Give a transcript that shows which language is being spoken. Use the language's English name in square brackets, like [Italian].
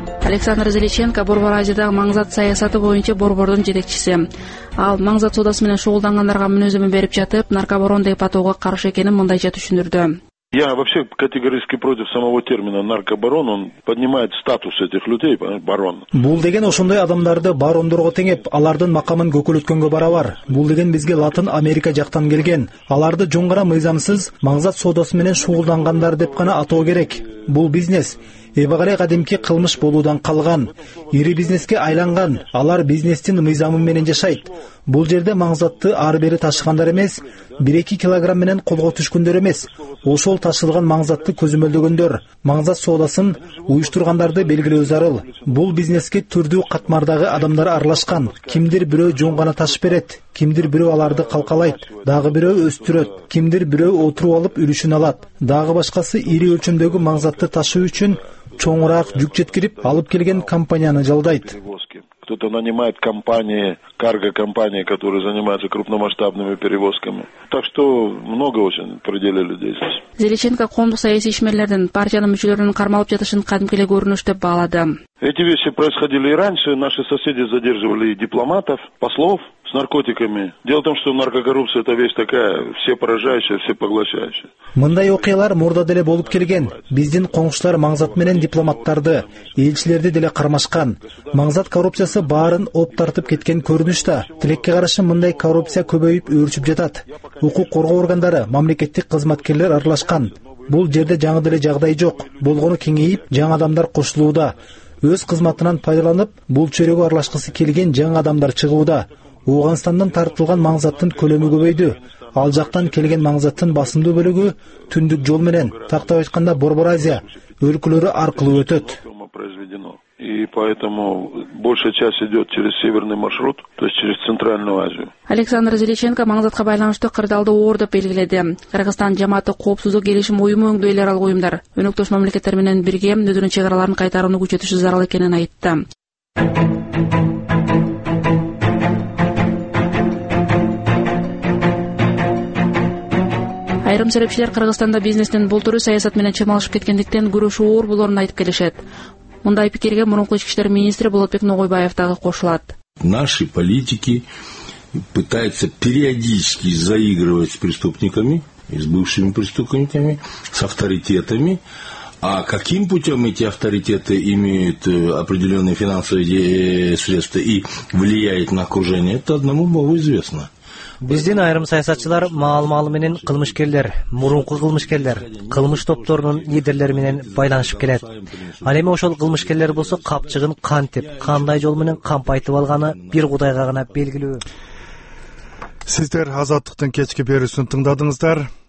[Kyrgyz] Александр Зеличенко Борбор Азиядагы маңзат саясаты боюнча борбордун жетекчиси. Ал маңзат соодасы менен шугулдангандарга мүнөзөмө берип жатып, наркобарон деп атоого каршы экенин мындайча түшүндүрдү. [Russian] Я вообще категорически против самого термина наркобарон, он поднимает статус этих людей, барон. [Kyrgyz] Бул деген ошондой адамдарды барондорго теңеп, алардын макамын көкөлөткөнгө барабар. Бул деген бизге Латын Америка жактан келген. Аларды жоңгара мыйзамсыз маңзат соодасы менен шугулдангандар деп гана атоо керек. Бул бизнес. Эбагарай кадимки кылмыш болуудан калган, ири бизнеске айланган, алар бизнестин мыйзамы менен жашайт. Бул жерде маңзатты ар бери ташыгандар эмес, 1-2 килограмм менен колго түшкөндөр эмес. Ошол ташылган маңзатты көзөмөлдөгөндөр, маңзат соодасын уюштургандарды белгилөө зарыл. Бул бизнеске түрдүү катмардагы адамдар аралашкан. Кимдир бирөө жөн гана ташып берет, кимдир бирөө аларды калкалайт, дагы бирөө өстүрөт, кимдир бирөө отуруп алып үлүшүн алат. Дагы башкасы ири өлчөмдөгү маңзатты ташуу үчүн чоңураак жүк жеткирип алып келген компанияны жалдайт. [Russian] Кто-то нанимает компании, карго-компании, которые занимаются крупномасштабными перевозками. Так что много очень пределе людей здесь. [Kyrgyz] Зеличенко коомдук саясий ишмерлердин партиянын мүчөлөрүн кармалып жатышын кадимки эле көрүнүш деп баалады. [Russian] Эти вещи происходили и раньше. Наши соседи задерживали и дипломатов, послов с наркотиками. Дело в том, что наркокоррупция – это вещь такая, все поражающая, все поглощающая. [Kyrgyz] Мындай окуялар мурда деле болуп келген. Биздин коңшулар маңзат менен дипломаттарды, элчилерди деле кармашкан. Маңзат коррупциясы баарын оп тартып кеткен көрүнүш да. Тилекке каршы мындай коррупция көбөйүп өрчүп жатат. Укук коргоо органдары, мамлекеттик кызматкерлер аралашкан. Бул жерде жаңы деле жагдай жок. Болгону кеңейип, жаң адамдар кошулууда. Өз кызматынан пайдаланып, бул чөйрөгө аралашкысы келген жаң адамдар чыгууда. Ооганстандан тартылган маңзаттын көлөмү көбөйдү. Ал жактан келген маңзаттын басымдуу бөлүгү түндүк жол менен, тактап айтканда Борбор Азия өлкөлөрү аркылуу өтөт. [Russian] И поэтому большая часть идет через северный маршрут, то есть через Центральную Азию. [Kyrgyz] Александр Зеличенко маңзатка байланыштуу кырдаалды оор деп белгиледи. Кыргызстан жамааттык коопсуздук келишим уюму өңдөө эл аралык уюмдар өнөктөш мамлекеттер менен бирге өзүнүн чек араларын кайтарууну күчөтүшү зарыл экенин айтты. Айрым серепчилер Кыргызстанда бизнестин болтору саясат менен чымалышып кеткендиктен күрөшү оор болорун айтып келишет. Мындай пикирге мурунку ички иштер министри Болотбек Ногойбаев дагы кошулат. [Russian] Наши политики пытаются периодически заигрывать с преступниками, с бывшими преступниками, с авторитетами. А каким путем эти авторитеты имеют определенные финансовые средства и влияют на окружение, это одному Богу известно. [Kyrgyz] Биздин айрым саясатчылар маал-маалы менен кылмышкерлер, мурунку кылмышкерлер, кылмыш топторунун лидерлери менен байланышып келет. Ал эми ошол кылмышкерлер болсо капчыгын кантип, кандай жол менен кампайтып алганы бир Кудайга гана белгилүү. Сиздер азаттыктын кечки берүүсүн тыңдадыңыздар.